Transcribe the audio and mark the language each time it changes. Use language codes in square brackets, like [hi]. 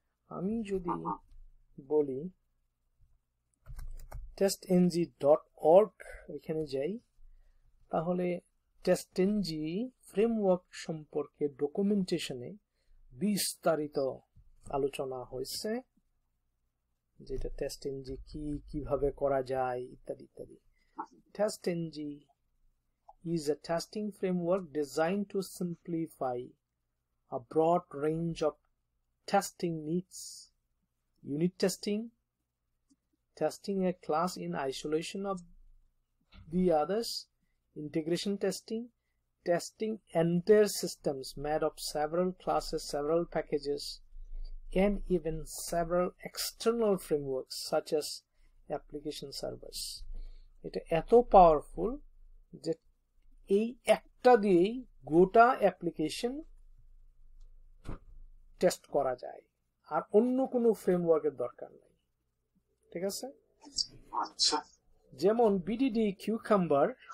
[bn] আমি যদি বলি testng.org এখানে যাই, তাহলে TestNG ফ্রেমওয়ার্ক সম্পর্কে ডকুমেন্টেশনে বিস্তারিত আলোচনা হয়েছে, যেটা TestNG কি কিভাবে করা যায় ইত্যাদি ইত্যাদি। [en] TestNG is a testing framework design to simplify a broad range of testing needs, unit testing, testing a class in isolation of the others, integration testing, testing entire systems made of several classes, several packages, and even several external frameworks such as application servers. [bn] এটা এত powerful যে এই একটা দিয়েই গোটা application test করা যায় আর অন্য কোনো ফ্রেমওয়ার্কের দরকার নেই, ঠিক আছে? যেমন বিডিডি কিউকাম্বার